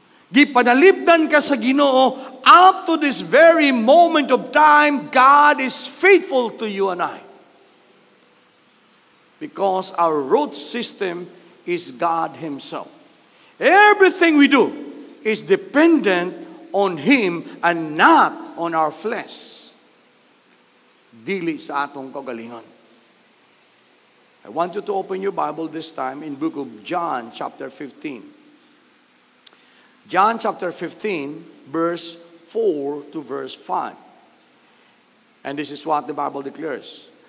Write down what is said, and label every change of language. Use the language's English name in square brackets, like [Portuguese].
[Cebuano] Gipanalipdan ka sa Ginoo, [English] up to this very moment of time, God is faithful to you and I. Because our root system is God Himself. Everything we do is dependent on Him and not on our flesh. [Cebuano] Dili sa atong kagalingan. [English] I want you to open your Bible this time in book of John chapter 15. John chapter 15, verse 4 to verse 5. And this is what the Bible declares.